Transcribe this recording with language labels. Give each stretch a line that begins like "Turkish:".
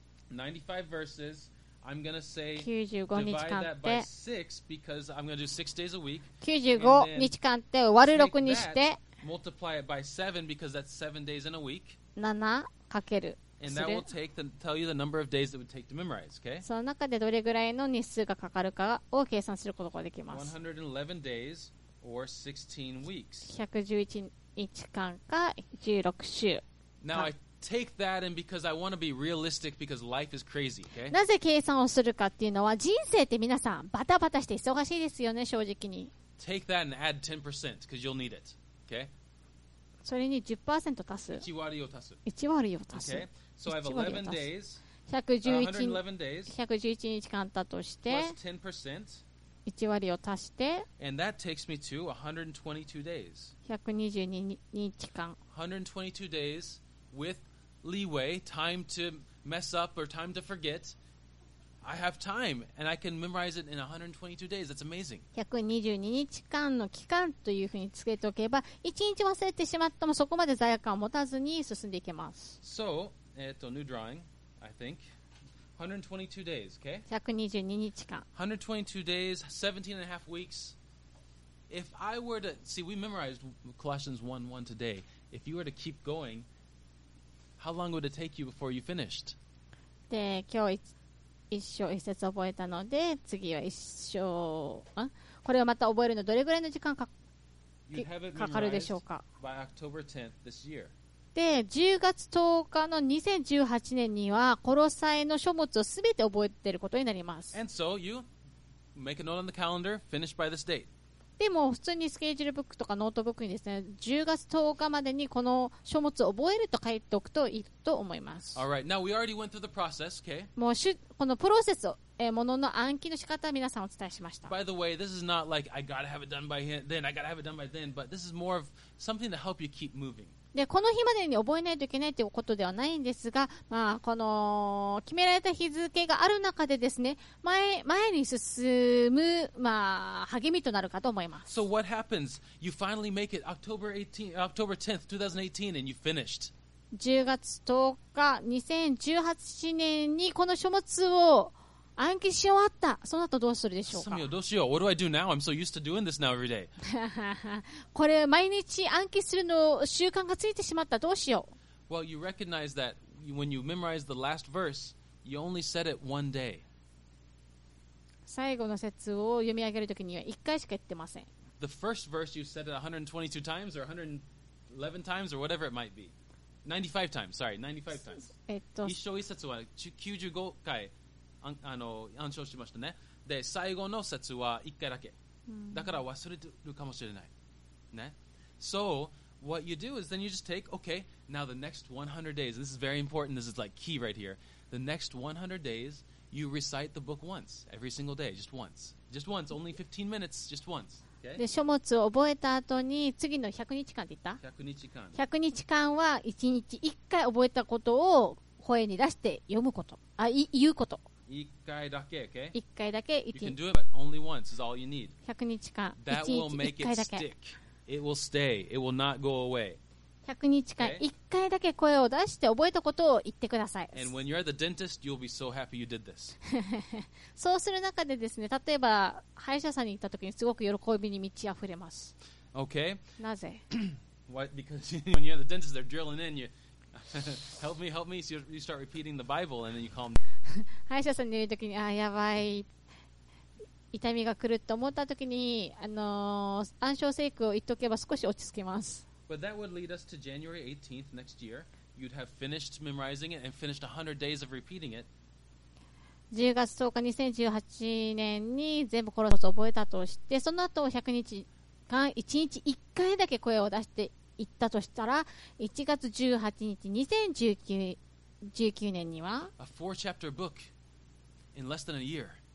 English: 95 verses. I'm gonna say divide that by 6 because I'm gonna do 6 days a week.
Japanese: 95日間って割る6にして、
English: multiply it by 7 because that's 7 days in a week.
Japanese: 7かける。
English: And that will tell you the number of days it would take to memorize. Okay.
Japanese: その中でどれぐらいの日数がかかるかを計算することができます。
English: 111 days or 16 weeks.
Japanese: 111日間か16週。
English: Now Take that, and because I want to be realistic, because life is crazy. Okay.
Japanese: なぜ計算をするかっていうのは、人生って皆さんバタバタして忙しいですよね、正直に。
English: Take that and add 10% because you'll need it. Okay.
Japanese: それに 10% 足す。 1割を足す。 1割を足す。Okay.
English: So I have 11 days. 111 days.
Japanese: 111日間だとして。
English: Plus 10%.
Japanese: 1割を足して。
English: And that takes me to 122 days.
Japanese: 122日間。
English: 122 days. With leeway, time to mess up or time to forget, I have time and I can memorize it in 122 days. That's amazing.
Japanese: 122日間の期間というふうにつけておけば、1日忘れてしまってもそこまで罪悪感を持たずに進んでいけます。
English: So, new drawing, I think. 122 days, okay?
Japanese: 122日間。
English: 122 days, 17 and a half weeks. If I were to, see, we memorized Colossians 1:1 today. If you were to keep going,How long would it take you before you finished?
Japanese: で、今日一章一節覚えたので、次は一章、これをまた覚えるのどれぐらいの時間かかるでしょうか。
English: By October 10th this year.
Japanese: で、10月10日の2018年にはコロサイの書物をすべて覚えていることになります。
English: And so you make a note on the calendar, finish by this date.
Japanese: でも普通にスケジュールブックとかノートブックにですね、10月10日までにこの書物を覚えると書いておくといいと思います。
English: All right. Now we already went through the process, okay?
Japanese: もうこのプロセスを、ものの暗記の仕方は皆さんお伝えしました。
English: By the way, this is not like I gotta have it done by then, I gotta have it done by then, but this is more of something to help you keep moving.
Japanese: でこの日までに覚えないといけないということではないんですが、まあ、この決められた日付がある中でですね、前に進む、まあ、励みとなるかと思います。
English: So what happens? You finally make it October 10th, 2018, and you finished.
Japanese: 10月10日、2018年にこの書物を暗記し終わった。その後どうするでしょうか。
English: サミオ、
Japanese: どうしよう。
English: What do I do now? I'm so used to doing this now every day.
Japanese: これ毎日暗記するの習慣がついてしまった。どうしよう。
English: Well, you recognize that when you memorize the last verse, you only said it one day.
Japanese: 最後の節を読み上げるときには1回しか言ってません。
English: The first verse you said it 122 times or 111 times or whatever it might be 95 times, sorry, 95 times
Japanese: 一章一節は95回暗唱しましたね。で、最後の節は1回だけ、だから忘れてるかもしれないね。
English: So what you do is then you just take, okay, now the next 100 days, this is very important, this is like key right here, the next 100 days you recite the book once, every single day, just once, just once, only 15 minutes, just once、okay?
Japanese: で、書物を覚えた後に次の100日間って言った？100日間、100日間は1日1回覚えたことを声に出して読むこと、あ、言うこと 1回だけ、OK? 1回だけ、 1日
English: You can do it, but only once is all you need
Japanese: 100日間、1日1回だけ
English: That will make it stick. It will stay. It will not go away.
Japanese: 100日間、1回だけ声を出して覚えたことを言ってください。
English: And when you're the dentist, you'll be so happy you did this.
Japanese: そうする中でですね、例えば歯医者さんに行った時にすごく喜びに満ち溢れます。
English: OK?
Japanese: なぜ？
English: Why? Because when you're the dentist, they're drilling in you. Help me, help me. So you start repeating the Bible and then you calm down.
Japanese: 歯医者さんに言う時に、あ、やばい、痛みが来ると思った時に、暗唱聖句を言っておけば少し落ち着きます。
English: But that would lead us to January 18th next year. You'd have finished memorizing it and finished 100 days of repeating it.
Japanese: 10月10日2018年に全部コロナを覚えたとして、その後100日間1日1回だけ声を出して言ったとしたら、1月18日2019年には
English: A four chapter book in less than a year.